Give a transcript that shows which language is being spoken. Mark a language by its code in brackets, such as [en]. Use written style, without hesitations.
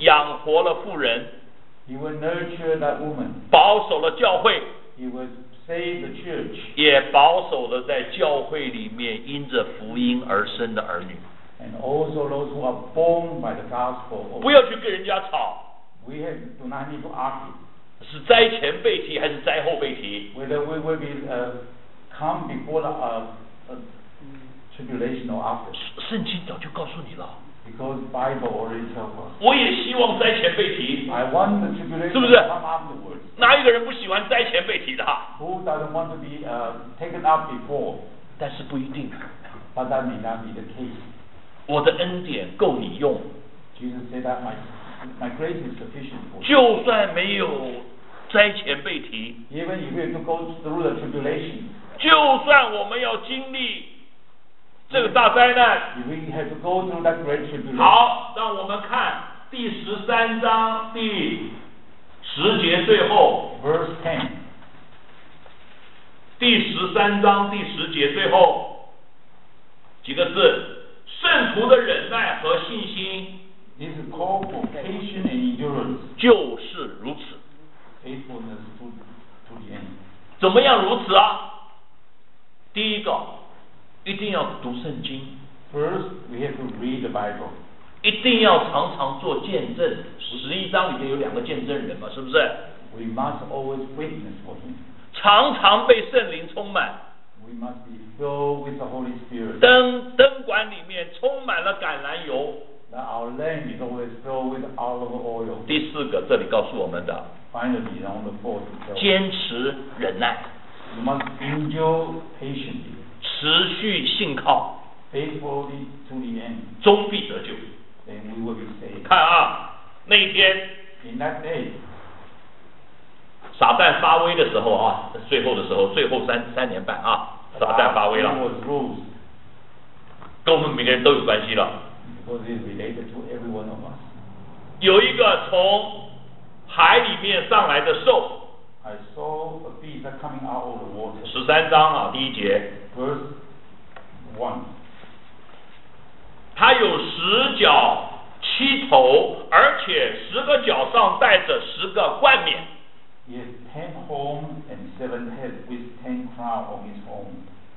[zh] 养活了妇人。 [en] He will nurture that woman. [zh] 保守了教会。 [en] He will save the church. [zh] 也保守了在教会里面因着福音而生的儿女。 [en] And also those who are born by the gospel. [zh] 不要去跟人家吵。 [en] We do not need to argue. [zh] 是灾前被提还是灾后被提？ [en] Whether we will be come before the tribulation or after. [zh] 圣经早就告诉你了。 [en] Because Bible already tells us. [zh] 我也希望灾前被提。 [en] I want the tribulation. [zh] 是不是？ [en] Come afterwards. [zh] 哪一个人不喜欢灾前被提的？ [en] Who doesn't want to be taken up before? [zh] 但是不一定。 [en] But that may not be the case. [zh] 我的恩典够你用。 [en] Jesus said that my grace is sufficient for you. [zh] 就算没有灾前被提， [en] Even if we have to go through the tribulation, [zh] 就算我们要经历这个大灾难， [en] If we have to go through that great tribulation, [zh] 好，让我们看第十三章第十节最后， [en] Verse 10, [zh] 第十三章第十节最后几个字，圣徒的忍耐和信心。 [en] This is called for patience and endurance. [zh] 就是如此。 [en] Faithfulness to the end. [zh] 怎么样如此啊？第一个，一定要读圣经。 [en] First, we have to read the Bible. [zh] 一定要常常做见证。十一章里面有两个见证人嘛，是不是？ [en] We must always witness for him. [zh] 常常被圣灵充满。 [en] We must be filled with the Holy Spirit. [zh] 灯管里面充满了橄榄油。 [en] Our lamp is always filled with olive oil. [zh] 第四个，这里告诉我们的。 [en] Finally, on the fourth. [zh] 坚持忍耐。 [en] You must endure patiently. [zh] 持续信靠。 [en] Faithfully to the end. [zh] 终必得救。 [en] Then we will be saved. [zh] 看啊，那一天。 [en] In that day. [zh] 撒旦发威的时候啊，最后的时候，最后三年半啊，撒旦发威了。 [en] Was rules. [zh] 跟我们每个人都有关系了。 [en] Because it's related to every one of us. [zh] 有一个从海里面上来的兽。 [en] I saw a beast that coming out of the water. [zh] 十三章啊，第一节。 [en] Verse one. [zh] 它有十脚七头，而且十个脚上带着十个冠冕。 [en] He has 10 horns and 7 heads with 10 crowns on his horn.